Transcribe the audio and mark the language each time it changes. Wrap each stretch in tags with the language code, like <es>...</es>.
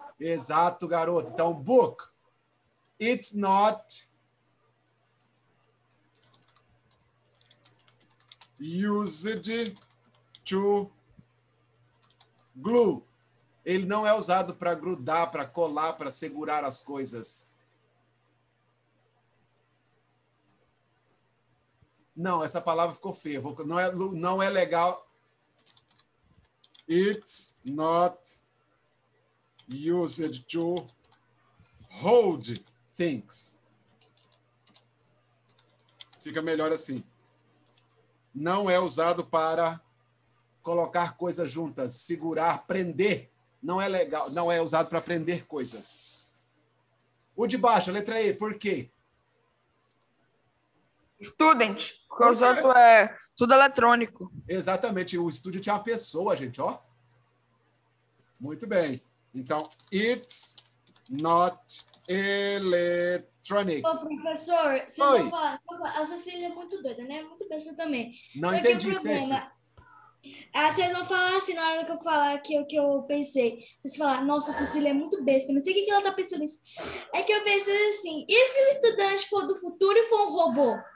<pt>Exato, garoto. Então,</pt> <en>book. It's not used to glue.</en> <pt>Ele não é usado para grudar, para colar, para segurar as coisas. Não, essa palavra ficou feia. Não é legal.</pt> <en>It's not used to hold things.</en> <pt>Fica melhor assim. Não é usado para colocar coisas juntas, segurar, prender. Não é legal. Não é usado para prender coisas. O de baixo, a letra E, por quê? Student. Porque os outros é tudo eletrônico. Exatamente. O estúdio tinha uma pessoa, gente, ó. Muito bem. Então,</pt> <en>it's not electronic.</en> <pt>Ô, professor, vocês vão falar... A Cecília é muito doida, né? Muito besta também. Não só entendi, Cecília. Vocês vão falar assim, na hora que eu falar que eu pensei. Vocês vão falar, nossa, a Cecília é muito besta. Mas sei o que ela tá pensando isso. É que eu pensei assim, e se o estudante for do futuro e for um robô?</pt>